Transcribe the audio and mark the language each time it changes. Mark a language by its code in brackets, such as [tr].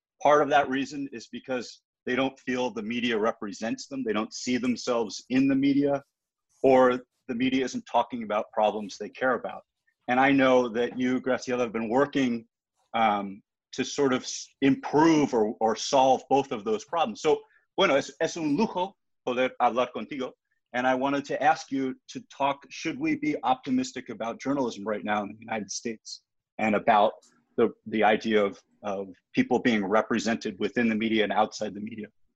[en] Part of that reason is because they don't feel the media represents them, they don't see themselves in the media, or the media isn't talking about problems they care about. And I know that you, Graciela, have been working to sort of improve or solve both of those problems. [es] So, bueno, es un lujo poder hablar contigo. [en] And I wanted to ask you to talk, should we be optimistic about journalism right now in the United States and about the idea of people being represented within the media and outside the media?